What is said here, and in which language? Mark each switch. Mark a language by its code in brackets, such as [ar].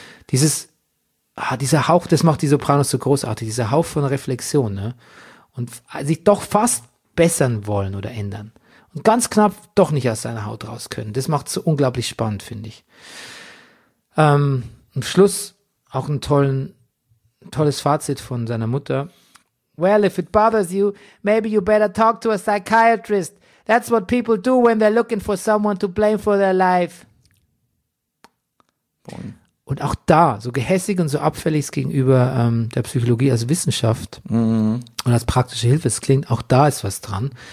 [de] Dieser Hauch, das macht die Sopranos so großartig, dieser Hauch von Reflexion. Ne? Und sich doch fast bessern wollen oder ändern. Und ganz knapp doch nicht aus seiner Haut raus können. Das macht es so unglaublich spannend, finde ich. Am Schluss auch ein tolles Fazit von seiner Mutter. [en] Well, if it bothers you, maybe you better talk to a psychiatrist. That's what people do when they're looking for someone to blame for their life. Boing. [de] Und auch da, so gehässig und so abfällig gegenüber der Psychologie als Wissenschaft und als praktische Hilfe, es klingt, auch da ist was dran.